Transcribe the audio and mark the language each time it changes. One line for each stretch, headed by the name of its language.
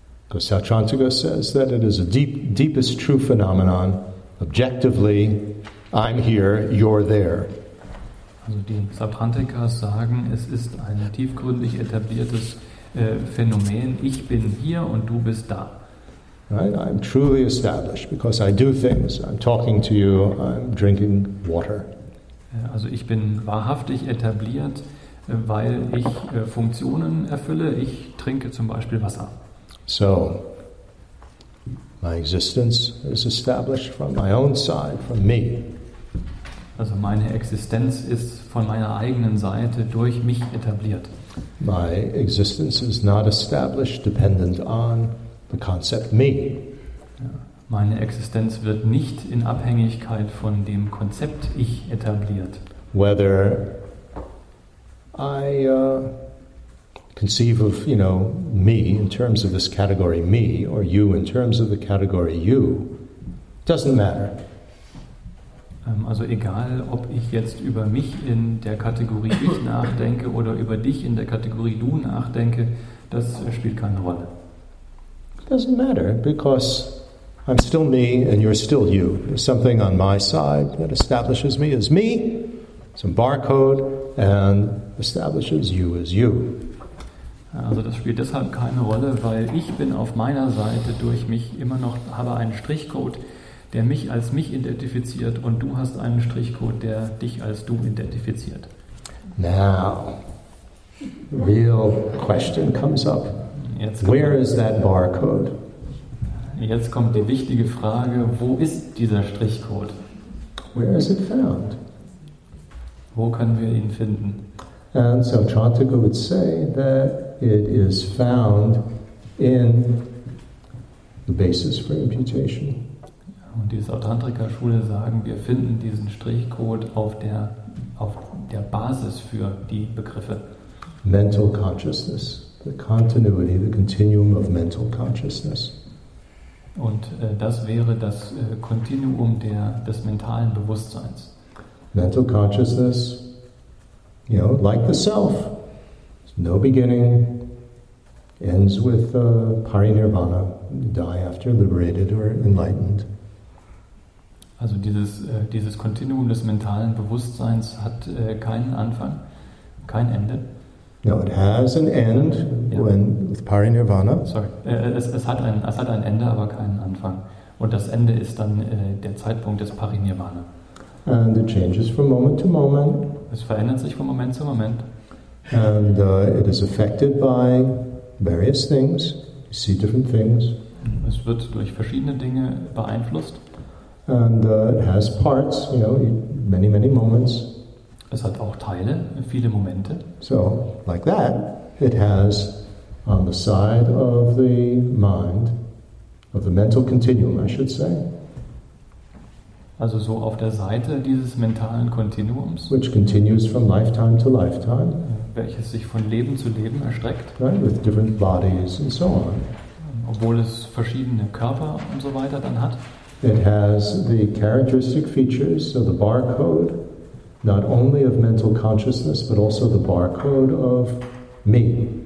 English: Gosatrantuga says that it is a deepest true phenomenon. Objectively, I'm here, you're there.
German: Also die Satrantika sagen, es ist ein tiefgründig etabliertes Phänomen. Ich bin hier und du bist da.
English: Right? I'm truly established because I do things. I'm talking to you, I'm drinking water.
German: Also ich bin wahrhaftig etabliert, weil ich Funktionen erfülle. Ich trinke zum Beispiel Wasser.
English: So, my existence is established from my own side, from me.
German: Also meine Existenz ist von meiner eigenen Seite durch mich etabliert.
English: My existence is not established dependent on the concept me.
German: Meine Existenz wird nicht in Abhängigkeit von dem Konzept ich etabliert.
English: Whether I conceive of, you know, me in terms of this category me or you in terms of the category you, doesn't matter.
German: Also egal, ob ich jetzt über mich in der Kategorie ich nachdenke oder über dich in der Kategorie du nachdenke, das spielt keine Rolle.
English: Doesn't matter, because I'm still me and you're still you. There's something on my side that establishes me as me, some barcode, and establishes you as you.
German: Also das spielt deshalb keine Rolle, weil ich bin auf meiner Seite durch mich immer noch, habe einen Strichcode, der mich als mich identifiziert, und du hast einen Strichcode, der dich als du identifiziert.
English: Now, real question comes up. Where is that barcode?
German: Jetzt kommt die wichtige Frage, wo ist dieser Strichcode?
English: Where is it found?
German: Wo können wir ihn finden?
English: And so Chantika would say that it is found in the basis for imputation.
German: Und die Satantrika-Schule sagen, wir finden diesen Strichcode auf der Basis für die Begriffe.
English: Mental consciousness. The continuity, the continuum of mental consciousness.
German: Und das wäre das Kontinuum des mentalen Bewusstseins.
English: Mental consciousness, you know, like the self. There's no beginning. Ends with parinirvana. Die after liberated or enlightened.
German: Also dieses Kontinuum des mentalen Bewusstseins hat keinen Anfang, kein Ende.
English: No, it has an end when with parinirvana.
German: Sorry, es hat ein Ende, aber keinen Anfang. Und das Ende ist dann der Zeitpunkt des parinirvana.
English: And it changes from moment to moment.
German: Es verändert sich von Moment zu Moment.
English: And it is affected by various things. You see different things.
German: Es wird durch verschiedene Dinge beeinflusst.
English: And it has parts, you know, many, many moments.
German: Es hat auch Teile, viele Momente.
English: So, like that, it has on the side of the mind, of the mental continuum, I should say.
German: Also so auf der Seite dieses mentalen Kontinuums.
English: Which continues from lifetime to lifetime.
German: Welches sich von Leben zu Leben erstreckt.
English: Right, with different bodies and so on.
German: Obwohl es verschiedene Körper und so weiter dann hat.
English: It has the characteristic features, so the barcode, not only of mental consciousness, but also the barcode of me.